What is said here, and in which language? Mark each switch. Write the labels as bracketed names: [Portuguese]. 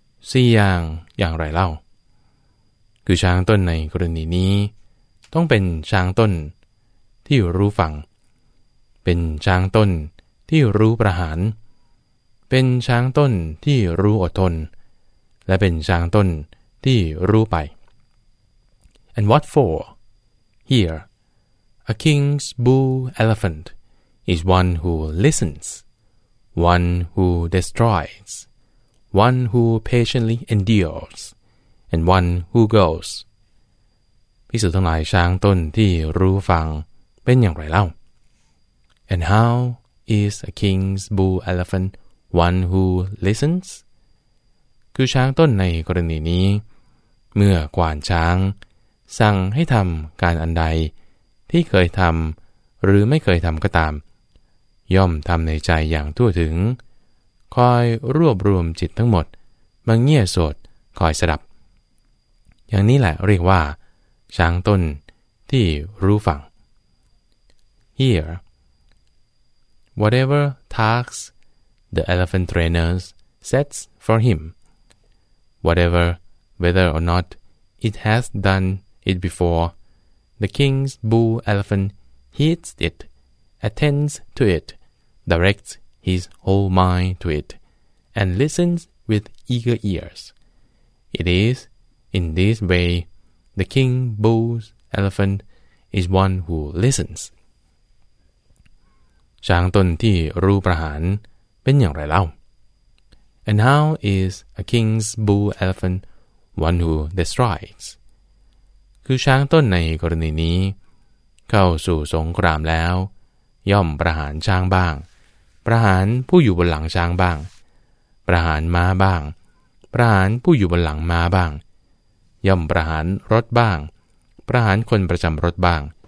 [Thai] สี่อย่างอย่างไรเล่าคือช้างต้นในกรณีนี้ต้องเป็นช้างต้นที่รู้ฝั่งเป็นช้างต้นที่รู้ประหารเป็นช้างต้นที่รู้อดทนและเป็นช้างต้นที่รู้ไป [English] And what for? Here, A king's bull elephant is one who listens, one who destroys, one who patiently endures, and one who goes. [Thai] ภิกษุทั้งหลายช้างต้นที่รู้ฟังเป็นอย่างไรเล่า [English] And how is a king's bull elephant one who listens? คือช้างต้นในกรณีนี้เมื่อกวานช้างสั่งให้ทำการอันใดที่เคยทำหรือไม่เคยทำก็ตามย่อมทำในใจอย่างทั่วถึงคอยรวบรวมจิตทั้งหมดมาเงี่ยสดคอยสดับ [Thai] อย่างนี้แหละเรียกว่าช้างต้นที่รู้ฟัง [English] Here, whatever tasks the elephant trainer sets for him, whatever whether or not it has done it before, the king's bull elephant heeds it, attends to it, directs his whole mind to it, and listens with eager ears. It is in this way the king bull's elephant is one who listens. [Thai] ช้างต้นที่รู้ประหารเป็นอย่างไรเล่า [English] And how is a king's bull elephant one who destroys? [Thai] คือช้างต้นในกรณีนี้เข้าสู่สงครามแล้วย่อมประหารช้างบ้างประหารผู้อยู่บนหลังช้างบ้างประหารม้าบ้างประหารผู้อยู่บนหลังม้าบ้างย่อมประหารรถบ้างประหารคนประจำรถบ้าง